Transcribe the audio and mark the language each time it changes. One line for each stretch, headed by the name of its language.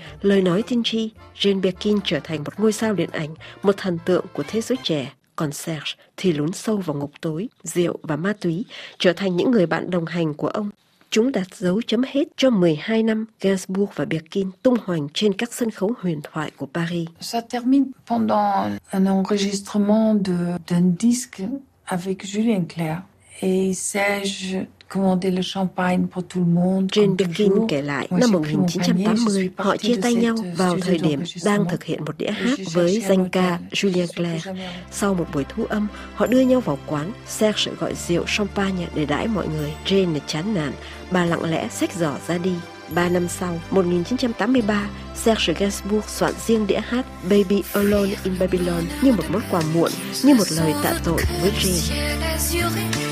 Vietnamese: Lời nói tiên tri, Jim Birkin trở thành một ngôi sao điện ảnh, một thần tượng của thế giới trẻ. Còn Serge thì lún sâu vào ngục tối, rượu và ma túy, trở thành những người bạn đồng hành của ông. Chúng đặt dấu chấm hết cho 12 năm Gainsbourg và Birkin tung hoành trên các sân khấu huyền thoại của Paris.
French: Ça termine pendant un enregistrement de d'un disque avec Julien Clerc et Serge.
Vietnamese: Jane Birkin kể lại, năm 1980, họ chia tay nhau vào thời điểm đang thực hiện một đĩa hát với danh ca Julien Clerc. Sau một buổi thu âm, họ đưa nhau vào quán, Serge gọi rượu champagne để đãi mọi người. Jane chán nản, bà lặng lẽ xách giỏ ra đi. Ba năm sau, 1983, Serge Gainsbourg soạn riêng đĩa hát Baby Alone in Babylon như một món quà muộn, như một lời tạ tội với Jane.